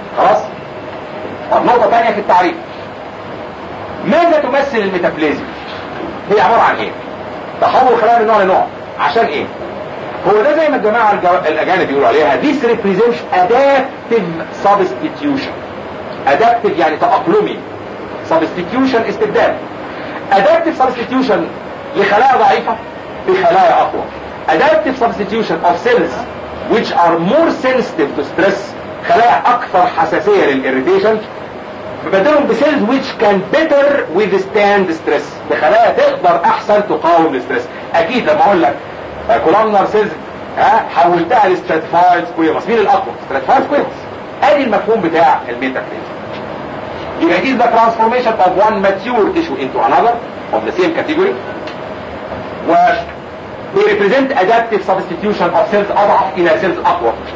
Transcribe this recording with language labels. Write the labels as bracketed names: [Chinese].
[Arabic] خلاص؟ طب نقطة تانية في التعريف ماذا تمثل الميتافليزيا؟ هي عبارة عن ايه؟ تحول خلايا من نوع لنوع عشان ايه؟ هو ده زي ما الجماعة الاجانب بيقولوا عليها [English] this represents adaptive substitution. [Arabic] adaptive يعني تأقلمي. substitution استبدال. adaptive substitution لخلايا ضعيفة بخلايا اقوى. [English] adaptive substitution of cells which are more sensitive to stress [Arabic] خلايا اكثر حساسية للirritation بدلهم بسيلز [English] which can better withstand stress [Arabic] بخلايا تقدر احسن تقاوم الستريس. اكيد لما اقول لك كولومنر سيلز حولتها لستراتيفايد سكويرس مين الاقوى؟ ستراتيفايد سكويرس. ادي المفهوم بتاع الميتافليز. يبقى اكيد [English] the transformation of one mature tissue into another of the same category و they represent adaptive substitution of cells [Arabic] اضعف الى سيلز اقوى.